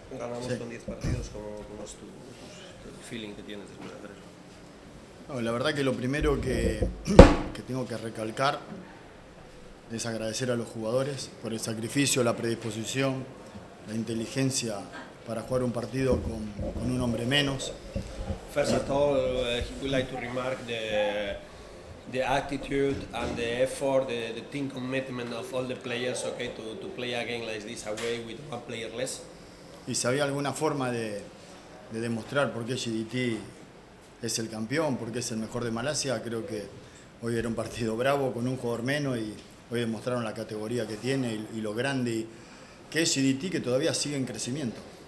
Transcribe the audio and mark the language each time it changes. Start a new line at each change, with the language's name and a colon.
Spanish: Ganamos con 10 partidos, ¿cómo es tu feeling que tienes después de hacer eso? No, la verdad que lo primero que tengo que recalcar es agradecer a los jugadores por el sacrificio, la predisposición, la inteligencia para jugar un partido con un hombre menos.
English: First of all, he would like to remark the attitude and the effort, the team commitment of all the players, okay, to play a game like this away with one player less.
Spanish: ¿Y si había alguna forma de demostrar por qué GDT es el campeón, por qué es el mejor de Malasia? Creo que hoy era un partido bravo con un jugador menos y hoy demostraron la categoría que tiene y lo grande que es GDT, que todavía sigue en crecimiento.